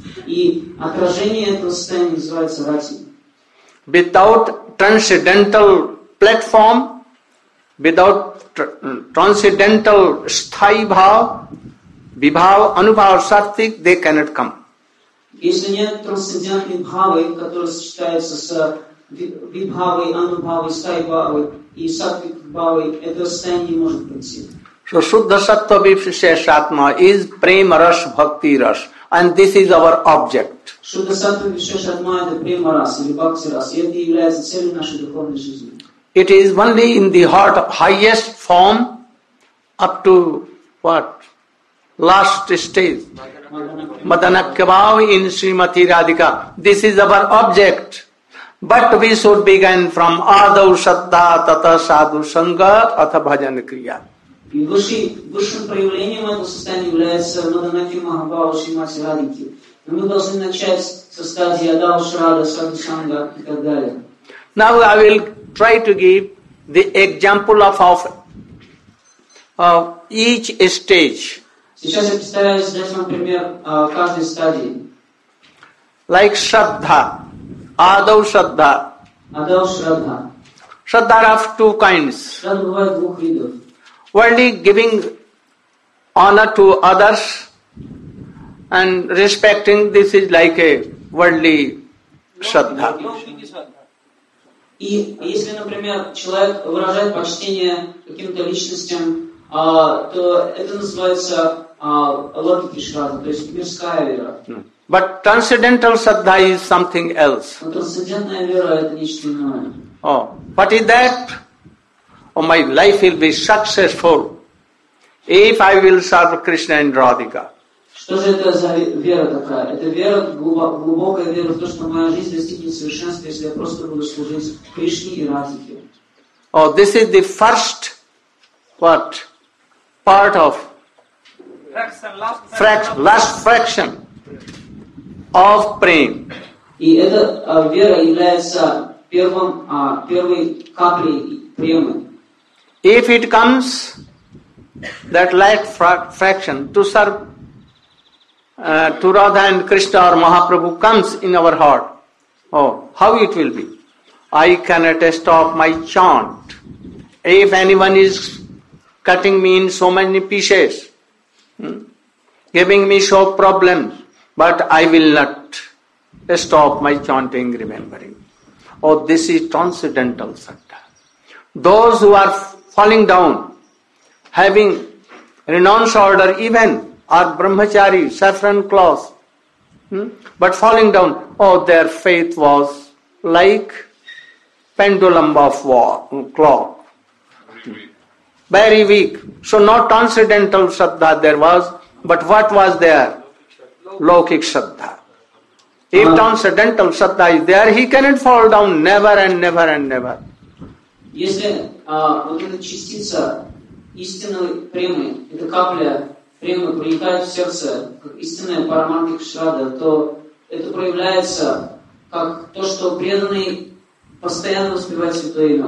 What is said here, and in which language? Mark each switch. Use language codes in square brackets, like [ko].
[ru] И отражение этого состояния называется Rati. [en] Without transcendental platform, without transcendental sthai bhav, vibhav, anubhav, sattik, they cannot come. [ru] Если нет трансцендентной бхавы, которая сочетается с вибхавой, анубхавой, sthai bhavой и sattik bhavой, это состояние не может прийти. [en] So Shuddha Sattva Vishesh-Atma is Prema Rash Bhakti Rash. And this is our object. Shuddha Sattva Vishesh-Atma is Prema Rash or Bhakti Rash. It is only in the heart of highest form up to what? Only in the heart of highest form up to what? Last stage. Madanakya Bhava in Srimati Radhika. This is our object. But we should begin from [sa] Adav Shaddha Tata Sadhu Sangha Atha Bhajan Kriya. [ru] И высшим проявлением этого состояния является Маданаки Махабхава Шримати Радхики. Но мы должны начать со стадии Адава Шрада, Садху Санга и так далее. [en] Now I will try to give the example of each stage. [ru] Сейчас я представляю сейчас вам пример каждой стадии. [en] Like Shraddha, Adav Shraddha. Adav Shraddha. Shraddha are of two kinds. [ru] Shraddha бывает двух видов. [en] Worldly giving honor to others and respecting, this is like a worldly shraddha. [ru] И если, например, человек выражает почтение каким-то личностям, то это называется логики шраддха, то есть мирская вера. [en] But transcendental shraddha is something else. [ru] Трансцендентная вера – это нечто иное. [en] Oh, what is that? Oh, my life will be successful if I will serve Krishna and Radhika. [ru] Что же это за вера такая? Это вера, глубокая вера в то, что моя жизнь достигнет совершенства, если я просто буду служить Кришне и Радхике. [en] Oh, this is the first what? Part of last fraction of Prem. [ru] И эта вера является первой каплей Премы. [en] If it comes, that light fraction, to serve to Radha and Krishna or Mahaprabhu comes in our heart, oh, how it will be? I cannot stop my chant. If anyone is cutting me in so many pieces, giving me so problems, but I will not stop my chanting, remembering. Oh, this is transcendental satta. Those who are falling down, having renounced order even, or brahmachari, saffron cloth, but falling down, oh, their faith was like pendulum of clock. Very weak. So not transcendental shraddha there was, but what was there? Laukik shraddha. If transcendental shraddha is there, he cannot fall down never and never and never. [ru] Если вот эта частица истинной премы, эта капля премы проникает в сердце, как истинная парамантика шрада, то это проявляется как то, что преданный постоянно воспевает святое имя.